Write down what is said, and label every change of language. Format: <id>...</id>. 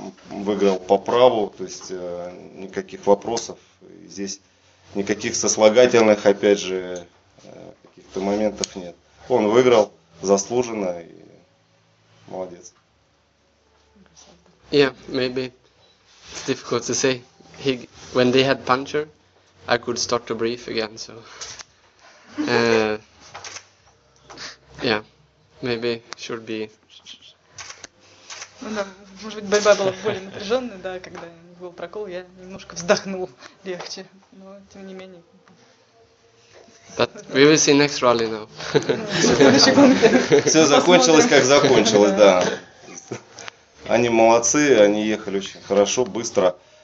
<ru>выиграл по праву, то есть никаких вопросов. Здесь никаких сослагательных, опять же, каких-то моментов нет. Он выиграл заслуженно и молодец.</ru> <en>Yeah, maybe it's difficult to say. He, when they had puncher, I could start to breathe again, so yeah, maybe should be.</en> <ru>Ну да, может быть, борьба была более напряженная, да, когда был прокол, я немножко вздохнул легче, но тем не менее.</ru> <en>But we will see next rally now.</en> <ru>Все закончилось, как закончилось, да. Они молодцы, они ехали очень хорошо, быстро.</ru>